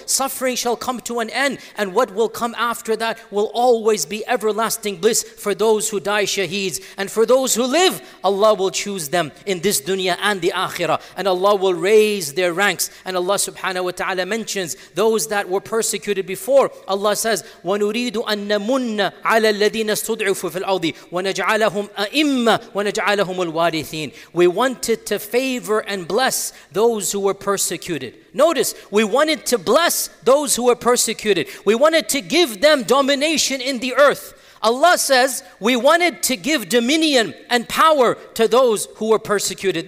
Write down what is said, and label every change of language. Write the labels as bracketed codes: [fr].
[en] Suffering shall come to an end, and what will come after that will always be everlasting bliss for those who die shaheeds. And for those who live, Allah will choose them in this dunya and the akhirah, and Allah will raise their ranks. And Allah subhanahu wa ta'ala mentions those that were persecuted before. Allah says, [ar] وَنُرِيدُ أَنَّ مُنَّ عَلَى الَّذِينَ اسْتُضْعِفُوا فِي الْأَرْضِ وَنَجْعَلَهُمْ أَئِمَّةً وَنَجْعَلَهُمُ الْوَارِثِينَ. [en] We wanted to favor and bless those who were persecuted. Notice, we wanted to bless those who were persecuted. We wanted to give them domination in the earth. Allah says, we wanted to give dominion and power to those who were persecuted.